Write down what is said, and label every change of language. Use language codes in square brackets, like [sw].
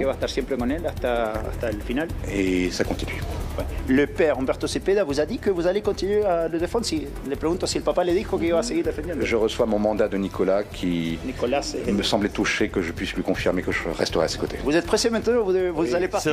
[es] Que va a estar siempre con él hasta el final. [fr] Et ça continue. Le père Humberto Cepeda vous a dit que vous allez continuer à le défendre. [es] Si, le pregunto si el papá le dijo que iba a seguir defendiendo. [fr] Je reçois mon mandat de Nicolas qui me semblait touché que je puisse lui confirmer que je resterai à ses côtés. Vous êtes pressé maintenant, vous allez partir.